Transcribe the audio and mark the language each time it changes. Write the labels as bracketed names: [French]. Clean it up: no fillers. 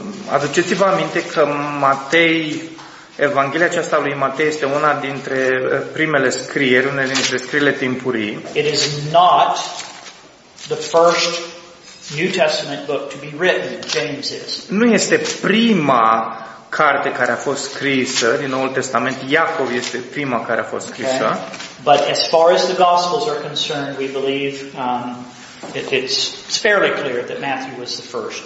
[Romanian] Aduceți-vă aminte că Matei, Evanghelia aceasta lui Matei este una dintre primele scrieri, una dintre scrierile timpurii. [English] It is not the first New Testament book to be written, James is. [Romanian] Nu este prima carte care a fost scrisă din Noul Testament, Iacov este prima care a fost scrisă. [English] Okay. But as far as the Gospels are concerned, we believe it's fairly clear that Matthew was the first.